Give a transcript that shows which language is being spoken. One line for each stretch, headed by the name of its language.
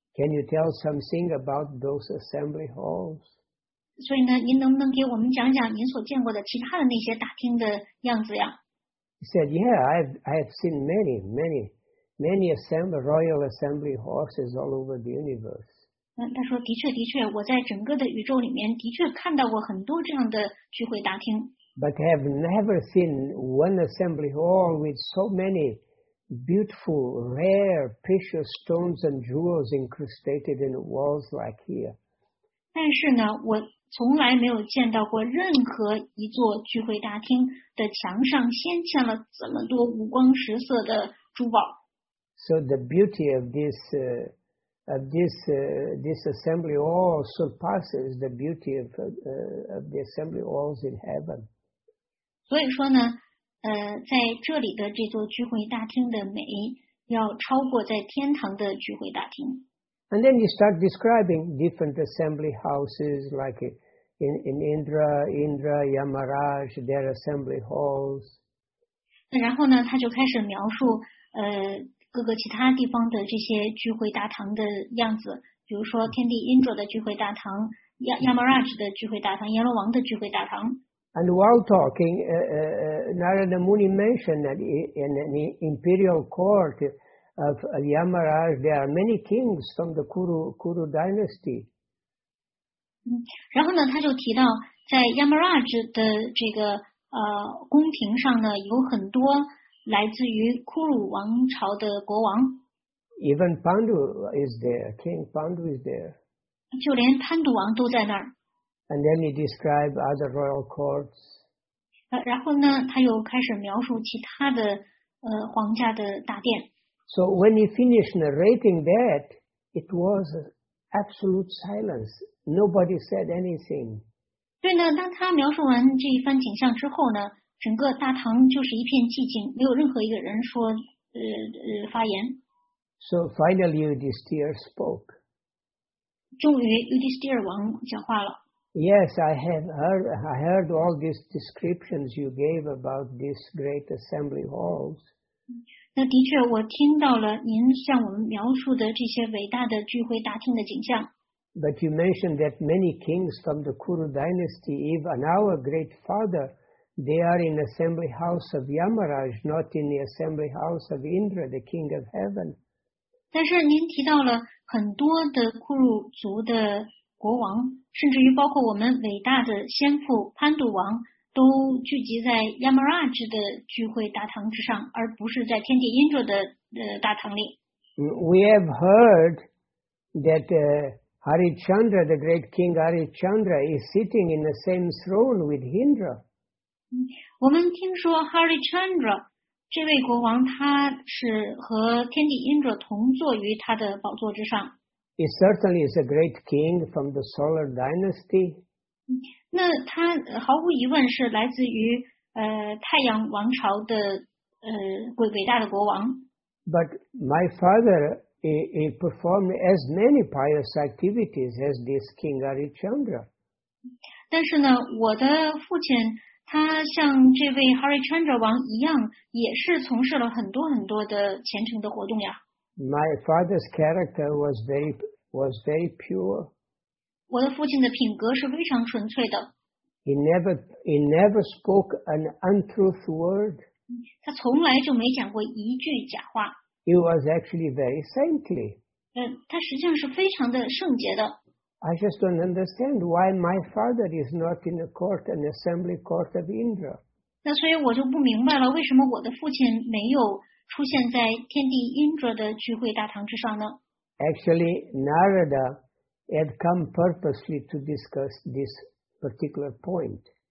English: Can you tell something about those assembly halls?
Chinese: 所以呢，您能不能给我们讲讲您所见过的其他的那些大厅的样子呀？
English: He said, "Yeah, I have seen many, many, many assembly royal assembly halls all over the universe."
Chinese: 他说的确的确，我在整个的宇宙里面的确看到过很多这样的聚会大厅。
English: But I have never seen one assembly hall with so many beautiful, rare, precious stones and jewels incrustated in the walls like here.
Chinese: 但是呢，我从来没有见到过任何一座聚会大厅的墙上镶嵌了这么多五光十色的珠宝。
English: So the beauty of this assembly hall surpasses the beauty of the assembly halls in heaven.
Chinese: 所以说呢，在这里的这座聚会大厅的美要超过在天堂的聚会大厅。
English: And then you start describing different assembly houses like in Indra, Yamaraj, their assembly halls.
Chinese: 然后呢，他就开始描述各个其他地方的这些聚会大堂的样子，比如说天帝 Indra 的聚会大堂， Yamaraj 的聚会大堂，阎罗王的聚会大堂。
English: And while talking, Narada Muni mentioned that in the imperial court of Yamaraj, there are many kings from the Kuru dynasty.
Chinese: 然后呢，他就提到在 Yamaraj 的这个宫廷上呢，有很多来自于 Kuru 王朝的国王。
English: Even Pandu is there. King Pandu is there.
Chinese: 就连潘都王都在那儿。
English: And then he described other royal courts.
Chinese: 然后呢，他又开始描述其他的皇家的大殿。
English: So when he finished narrating that, it was absolute silence. Nobody said anything.
Chinese: 对呢，当他描述完这一番景象之后呢，整个大堂就是一片寂静，没有任何一个人说发言。
English: So finally, Yudhisthira spoke.
Chinese: 终于玉帝斯蒂尔王讲话了。
English: Yes, I heard all these descriptions you gave about these great assembly halls.
Chinese: 那的确，我听到了您向我们描述的这些伟大的聚会大厅的景象。
English: But you mentioned that many kings from the Kuru dynasty, even our great father, they are in the assembly house of Yamaraj, not in the assembly house of Indra, the king of heaven.
Chinese: 但是您提到了很多的库鲁族的国王，甚至于包括我们伟大的先父潘杜王，都聚集在 Yamaraj 的聚会大堂之上，而不是在天地 Indra 的大堂里。
English: We have heard that Harichandra, the great king Harichandra, is sitting in the same throne with Indra.
Chinese: 我们听说 Harichandra 这位国王，他是和天地 Indra 同坐于他的宝座之上。
English: He certainly is a great king from the Solar Dynasty.
Chinese: 那他毫无疑问是来自于太阳王朝的伟大的国王。
English: But my father. He performed as many pious activities as this King Harichandra.
Chinese: 但是呢，我的父亲他像这位 Harichandra 王一样，也是从事了很多很多的虔诚的活动呀。
English: My father's character was very pure.
Chinese: 我的父亲的品格是非常纯粹的。
English: He never spoke an untruth word.
Chinese: 他从来就没讲过一句假话。
English: He was actually very saintly.
Chinese: 他实际上是非常的圣洁的。
English: I just don't understand why my father is not in the court, an assembly court of Indra.
Chinese: 那所以我就不明白了，为什么我的父亲没有出现在天地 Indra 的聚会大堂之上呢？
English: Actually, Narada had come purposely to discuss this particular point.